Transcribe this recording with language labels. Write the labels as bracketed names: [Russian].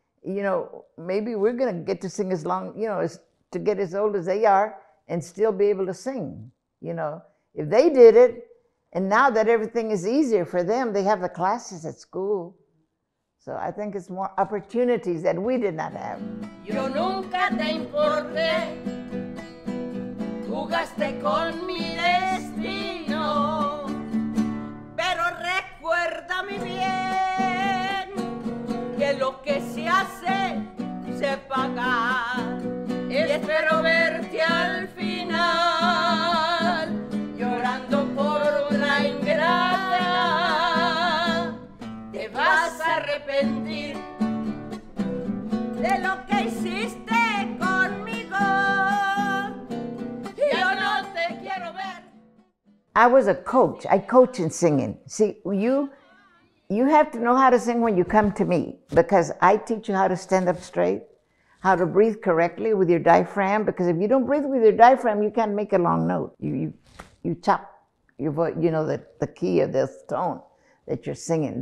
[English] You know, maybe we're going to get to sing as long, you know, to get as old as they are, and still be able to sing, you know. If they did it, and now that everything is easier for them, they have the classes at school. So I think it's more opportunities that we did not have. [Spanish] Yo nunca te importé, jugaste con mi destino, pero recuerda mi bien, que lo que se hace, se paga. Y espero verte al final, llorando por una ingrata. Te vas a arrepentir de lo que hiciste conmigo. Yo no te quiero ver. [English] I was a coach. I coach in singing. See, you have to know how to sing when you come to me, because I teach you how to stand up straight, how to breathe correctly with your diaphragm, because if you don't breathe with your diaphragm, you can't make a long note. You chop your voice, you know, the key of this tone that you're singing.